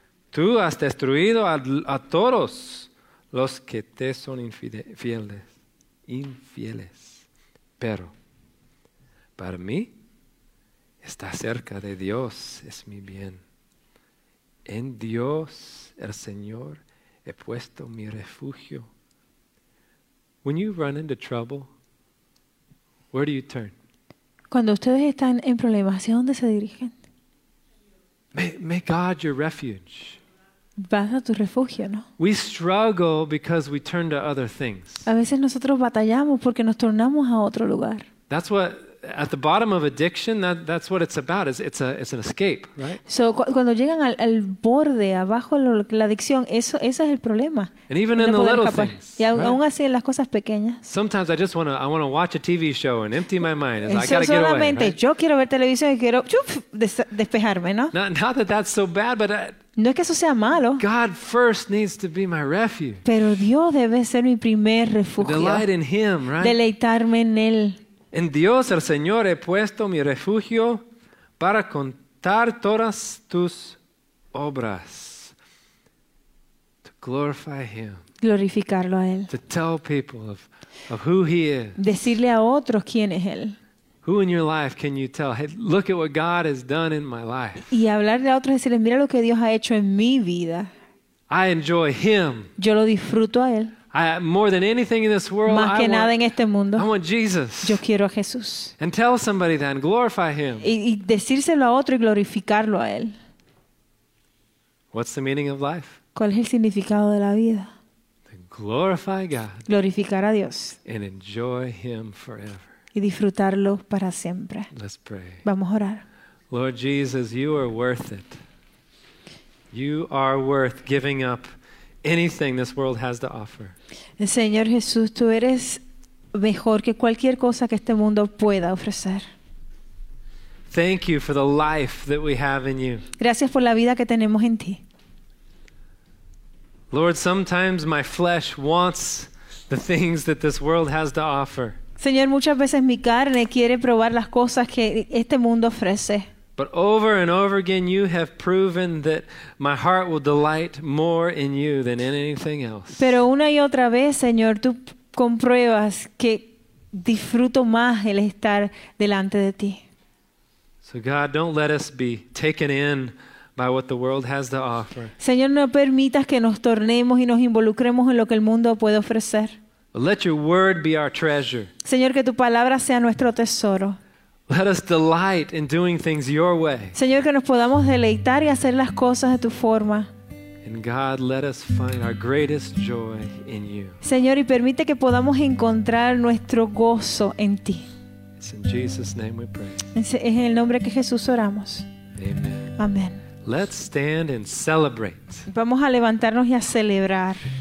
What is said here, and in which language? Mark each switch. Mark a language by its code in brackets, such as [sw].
[es] Tú has destruido a todos los que te son infieles. Pero para mí, estar cerca de Dios es mi bien. En Dios, el Señor, he puesto mi refugio. [en] When you run into trouble, where do you turn? [es] Cuando ustedes están en problemas, ¿hacia dónde se dirigen? [en] May God your refuge. [es] Vas a tu refugio, ¿no? [en] We struggle because we turn to other things. [es] A veces nosotros batallamos porque nos tornamos a otro lugar. [en] That's what at the bottom of addiction, that's what it's about. It's an escape, right? [es] So cuando llegan al borde, abajo la adicción, eso es el problema. [en] And even in the little things. [es] Y aún así en las cosas pequeñas. [en] Sometimes I just want to watch a TV show and empty my mind. I gotta get away. [es] Solamente yo quiero ver televisión y quiero despejarme, ¿no? [en] Not that that's so bad, but [es] no es que eso sea malo. [en] God first needs to be my refuge. [es] Pero Dios debe ser mi primer refugio. [en] Delight in Him, right? [es] Deleitarme en él. En Dios el Señor he puesto mi refugio para contar todas tus obras. [en] To glorify Him. [es] Glorificarlo a Él. [en] To tell people of who He is. [es] Decirle a otros quién es Él. [en] Who in your life can you tell? Hey, look at what God has done in my life. [es] Y hablarle a otros y decirles, mira lo que Dios ha hecho en mi vida. [en] I enjoy Him. [es] Yo lo disfruto a Él. [en] More than anything in this world, [es] más que nada en este mundo, [en] I want Jesus. [es] Yo quiero a Jesús. [en] And tell somebody that and glorify Him. [es] Y decírselo a otro y glorificarlo a Él. [en] What's the meaning of life? [es] ¿Cuál es el significado de la vida? [en] To glorify God. [es] Glorificar a Dios. [en] And enjoy Him forever. [es] Y disfrutarlo para siempre. [en] Let's pray. [es] Vamos a orar. [en] Lord Jesus, You are worth it. You are worth giving up anything this world has to offer. [es] Señor Jesús, tú eres mejor que cualquier cosa que este mundo pueda ofrecer. [en] Thank you for the life that we have in you. [es] Gracias por la vida que tenemos en ti. [en] Lord, sometimes my flesh wants the things that this world has to offer. [es] Señor, muchas veces mi carne quiere probar las cosas que este mundo ofrece. [en] But over and over again, you have proven that my heart will delight more in you than in anything else. [es] Pero una y otra vez, Señor, tú compruebas que disfruto más el estar delante de ti. [en] So God, don't let us be taken in by what the world has to offer. [es] Señor, no permitas que nos tornemos y nos involucremos en lo que el mundo puede ofrecer. [en] But let your word be our treasure. [es] Señor, que tu palabra sea nuestro tesoro. [en] Let us delight in doing things your way. [es] Señor, que nos podamos deleitar y hacer las cosas de tu forma. [en] And God, let us find our greatest joy in you. [es] Señor, y permite que podamos encontrar nuestro gozo en ti. [en] It's in Jesus' name we pray. [es] Es en el nombre que Jesús oramos. [en] Amen. [es] Amen. [en] Let's stand and celebrate. [es] Vamos a levantarnos y a celebrar.